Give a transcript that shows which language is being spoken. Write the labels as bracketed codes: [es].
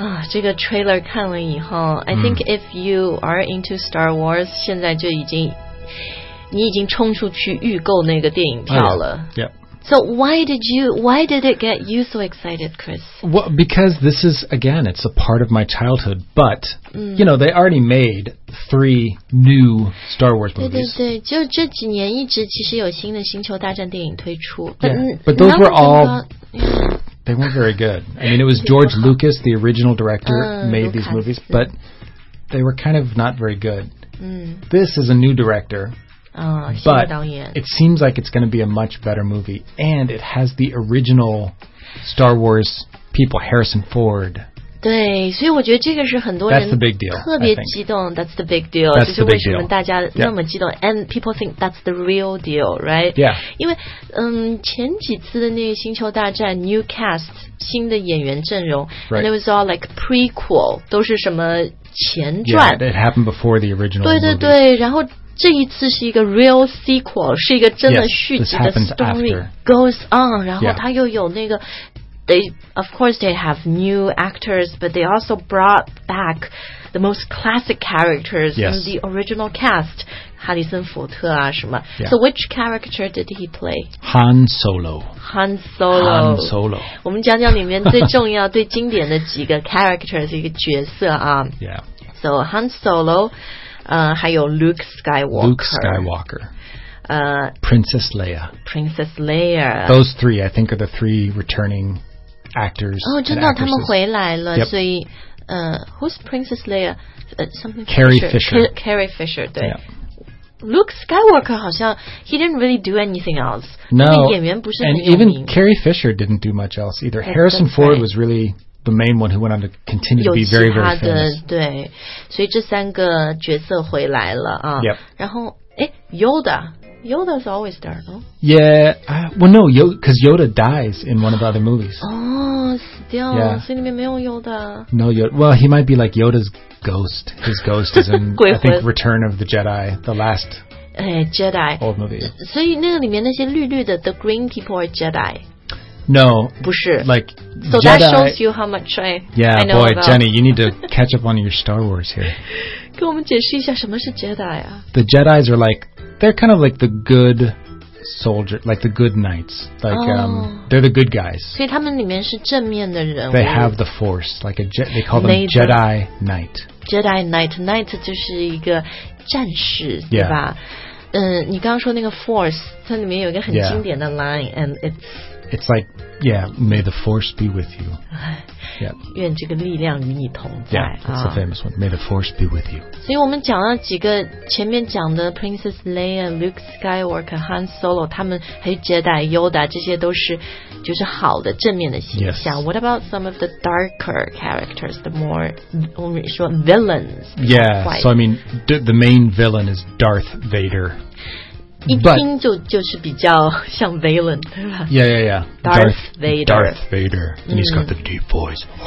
[en] 这个 trailer [zh] 看了以后 [en] I think if you are into Star Wars [zh] 现在就已经你已经冲出去预购那个电影票了、 [en] So why did it get you so excited Chris? Well, because this is again it's a part of my childhood but、you know they already made three new Star Wars movies [zh] 对对对就这几年一直其实有新的星球大战电影推出 [en] But those were all They weren't very good. I mean, it was George Lucas, the original director, made these movies, but they were kind of not very good. This is a new director, but it seems like it's going to be a much better movie, and it has the original Star Wars people, Harrison Ford. [zh] 对，所以我觉得这个是很多人 [en] the big deal, [zh] 特别激动 [en] That's the big deal That's [zh] 就是为什么大家那么激动、 [en] yeah. And people think that's the real deal, right? Yeah [zh] 因为、前几次的那个星球大战 [en] New cast [zh] 新的演员阵容、 [en] right. And it was all like prequel [zh] 都是什么前传 [en] Yeah, it happened before the original [zh] 对对对然后这一次是一个 [en] real sequel [zh] 是一个真的续集的 story [en] yes, goes on [zh] 然后他又有那个 [en] They, of course, they have new actors, but they also brought back the most classic characters、 yes. from the original cast. [zh] 哈里森·福特啊什么、 [en] yeah. So which character did he play? Han Solo. Han Solo. Han Solo. [zh] 我们讲讲里面最重要、最经典的几个 characters, 一个角色啊。 [en] Yeah. So Han Solo,、 [zh] 还有 [en] Luke Skywalker. Luke Skywalker. Princess Leia. Princess Leia. Those three, I think, are the three returning actors. [zh] Oh, 真的，他们回来了。 [en] Yep. [zh] 所以， [en] who's Princess Leia? Carrie Fisher. Carrie Fisher. 对。 Yeah. Luke Skywalker [zh] 好像 [en] he didn't really do anything else. No. [zh] 演员不是很有名。 [en] And even Carrie Fisher didn't do much else either. Harrison Ford was really. The main one who went on to continue to be very, very famous. [zh] 有其他的对，所以这三个角色回来了啊。 [en] Yep. [zh] 然后，哎 [en] ，Yoda, Yoda is always there, no? Yeah. Well, no, because Yoda dies in one of the other movies. [zh] Oh, 死掉了。 [en] Yeah. [zh] 所以里面没有 Yoda. [en] No Yoda. Well, he might be like Yoda's ghost. His ghost is in I think Return of the Jedi, the last. Jedi. Old movie. [zh] 所以那个里面那些绿绿的 [en] the green people are Jedi. No, [zh] 不是 [en] like so Jedi, that shows you how much I yeah I know boy about. Jenny, you need to catch up on your Star Wars here. [zh] 跟我们解释一下什么是 Jedi 啊 [en] The Jedi's are like they're kind of like the good soldier, like the good knights, like、 oh. They're the good guys. [zh] 所以他们里面是正面的人 [en] They have the Force, like a they call them Jedi Knight. [zh] Jedi Knight, Knight 就是一个战士、 [en] yeah. [zh] 对吧？你刚刚说那个 Force， 它里面有一个很经典的 line、 [en] yeah. and it's. It's like, yeah, may the force be with you. Yeah. [zh] 愿这个力量与你同在 [en] Yeah, that's、a famous one. May the force be with you. [zh] 所以我们讲了几个前面讲的 Princess Leia, Luke Skywalker, Han Solo, 他们还有 Jedi, Yoda, 这些都是就是好的正面的形象、 [en] yes. What about some of the darker characters, the more, [zh] 我们说 [en] villains? Yeah, so I mean, the main villain is Darth Vader. [zh] 一听就 就是比较像 Valen 对吧 [en] Yeah, yeah, yeah Darth Vader Darth Vader And he's got the deep voice